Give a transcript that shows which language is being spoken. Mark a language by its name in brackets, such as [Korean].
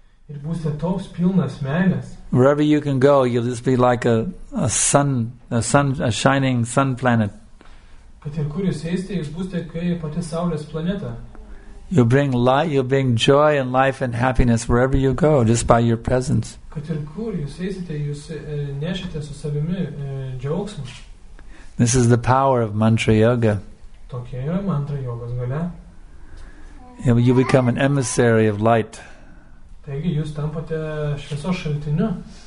[Lithuanian] Ir būsite toks pilnas meilės. [English] Wherever you can go, you'll just be like a sun, a shining sun planet. [Lithuanian] Kad ir kur jūs eisite, jūs būsite kaip pati saulės planeta. [English] You'll bring light, you'll bring joy and life and happiness wherever you go, just by your presence. [Lithuanian] Kad ir kur jūs eisite, jūs nešite su savimi džiaugsmą. [English] This is the power of mantra yoga. [Lithuanian] Tokia yra mantra jogos galia. [English] You become an emissary of light. [Lithuanian] Taigi, jūs tampate šviesos šaltiniu.